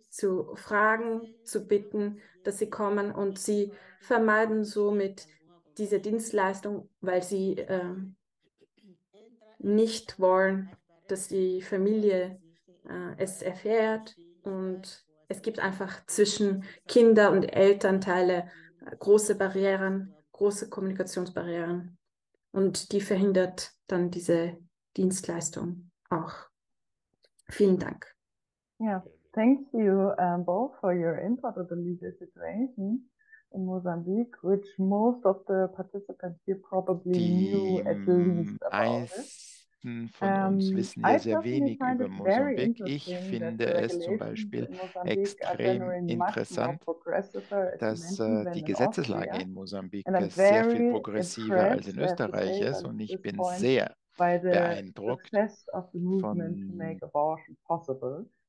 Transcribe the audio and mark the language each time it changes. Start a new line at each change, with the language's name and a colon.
German: zu fragen, zu bitten, dass sie kommen, und sie vermeiden somit diese Dienstleistung, weil sie nicht wollen, dass die Familie es erfährt. Und es gibt einfach zwischen Kinder und Elternteile große Barrieren, große Kommunikationsbarrieren, und die verhindert dann diese Dienstleistung auch. Vielen Dank.
English: Ja, thank you both for your input on the legal situation in Mozambique, which most of the participants here probably knew at least about it.
German: Von uns wissen ja sehr wenig über Mosambik. Ich finde es zum Beispiel extrem interessant, dass die Gesetzeslage in Mosambik sehr viel progressiver als in Österreich ist, und ich bin sehr beeindruckt von